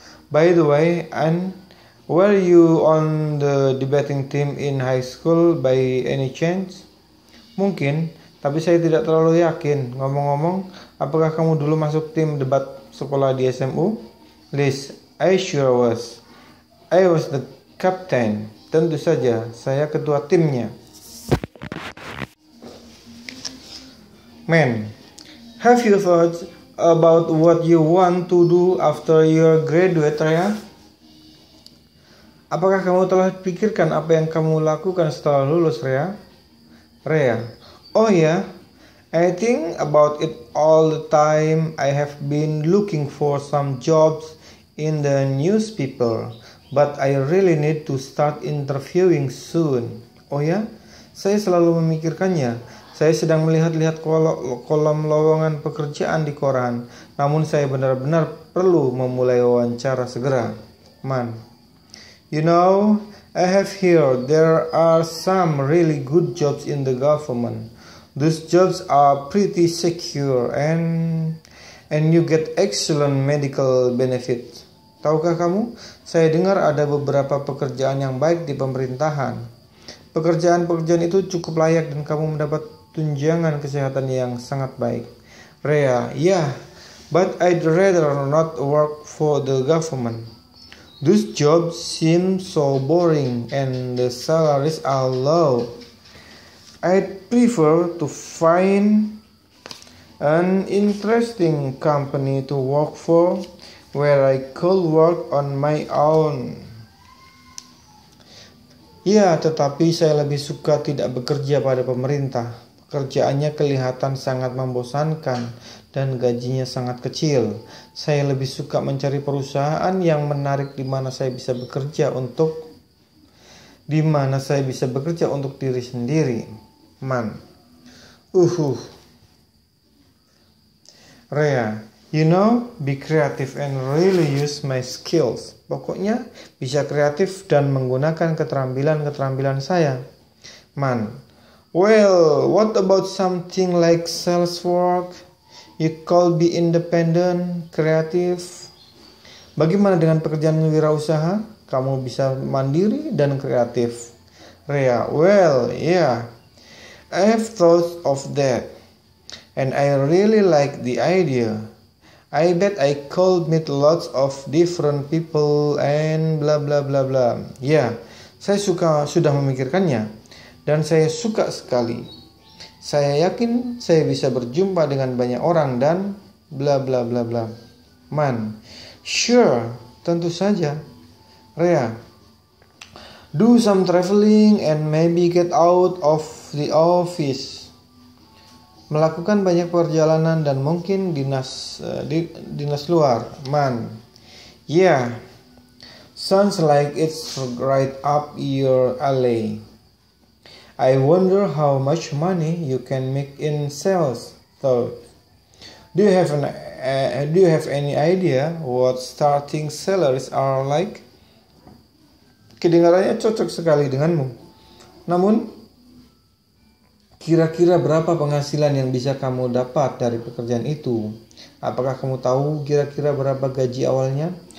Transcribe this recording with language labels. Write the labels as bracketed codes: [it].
[en] By the way, and were you on the debating team in high school by any chance? [id] Mungkin, tapi saya tidak terlalu yakin. Ngomong-ngomong, apakah kamu dulu masuk tim debat sekolah di SMU? [en] Liz, I sure was. I was the captain. [id] Tentu saja, saya ketua timnya. [en] Man, have you thought about what you want to do after your graduate, Raya? [id] Apakah kamu telah pikirkan apa yang kamu lakukan setelah lulus, Raya? [en] Raya, oh yeah, I think about it all the time. I have been looking for some jobs in the newspaper, but I really need to start interviewing soon. [id] Oh yeah, saya selalu memikirkannya. Saya sedang melihat-lihat kolom lowongan pekerjaan di koran, namun saya benar-benar perlu memulai wawancara segera. [en] Man, you know, I have heard there are some really good jobs in the government. Those jobs are pretty secure and you get excellent medical benefits. [id] Tahukah kamu? Saya dengar ada beberapa pekerjaan yang baik di pemerintahan. Pekerjaan-pekerjaan itu cukup layak dan kamu mendapat tunjangan kesehatan yang sangat baik. [en] Rhea, yeah, but I'd rather not work for the government. Those jobs seem so boring and the salaries are low. I'd prefer to find an interesting company to work for where I could work on my own. [id] Ya, tetapi saya lebih suka tidak bekerja pada pemerintah. Pekerjaannya kelihatan sangat membosankan dan gajinya sangat kecil. Saya lebih suka mencari perusahaan yang menarik di mana saya bisa bekerja untuk diri sendiri. [en] Man. Rhea, you know, be creative and really use my skills. [id] Pokoknya, bisa kreatif dan menggunakan keterampilan-keterampilan saya. [en] Man, well, what about something like sales work? You could be independent, creative. [id] Bagaimana dengan pekerjaan wirausaha? Kamu bisa mandiri dan kreatif. [en] Rhea, well, yeah. I have thought of that, and I really like the idea. I bet I could meet lots of different people and blah blah blah blah. [id] Yeah, saya suka sudah memikirkannya, dan saya suka sekali. Saya yakin saya bisa berjumpa dengan banyak orang dan blah blah blah blah. [en] Man, sure, [id] tentu saja. [en] Rhea, do some traveling and maybe get out of the office. [id] Melakukan banyak perjalanan dan mungkin dinas luar. [en] Man, yeah, sounds like it's right up your alley. I wonder how much money you can make in sales, though. Do you have any idea what starting salaries are like? [id] Kedengarannya cocok sekali denganmu. Namun, kira-kira berapa penghasilan yang bisa kamu dapat dari pekerjaan itu? Apakah kamu tahu kira-kira berapa gaji awalnya?